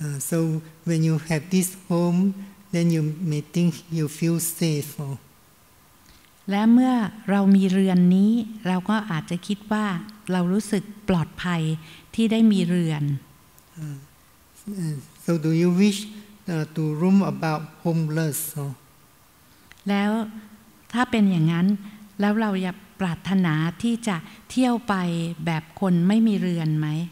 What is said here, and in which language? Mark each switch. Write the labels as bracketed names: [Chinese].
[English] So when you have this home, then you may think you feel safe, huh? [Thai] และเมื่อเรามีเรือนนี้เราก็อาจจะคิดว่าเรารู้สึกปลอดภัยที่ได้มีเรือน [English] So do you wish to roam about homeless? Huh? [Thai] แล้วถ้าเป็นอย่างนั้นแล้วเราอยากปรารถนาที่จะเที่ยวไปแบบคนไม่มีเรือนไหม